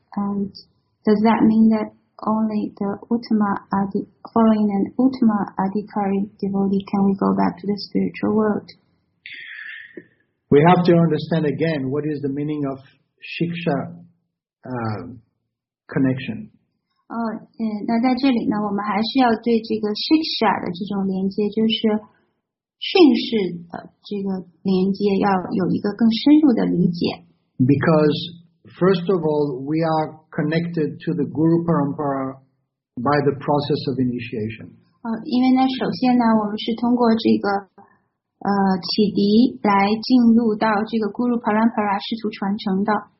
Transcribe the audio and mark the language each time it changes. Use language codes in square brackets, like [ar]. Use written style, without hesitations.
[en] And does that mean that only the Uttama following an Uttama Adhikari devotee can we go back to the spiritual world? We have to understand again what is the meaning of Shiksha connection. [zh] 那在这里呢，我们还是要对这个 Shiksha 的这种连接，就是训示的这个连接，要有一个更深入的理解。 [en] Because first of all, we are connected to the Guru Parampara by the process of initiation. [zh] 因为呢，首先呢，我们是通过这个启迪来进入到这个 Guru Parampara 师徒传承的。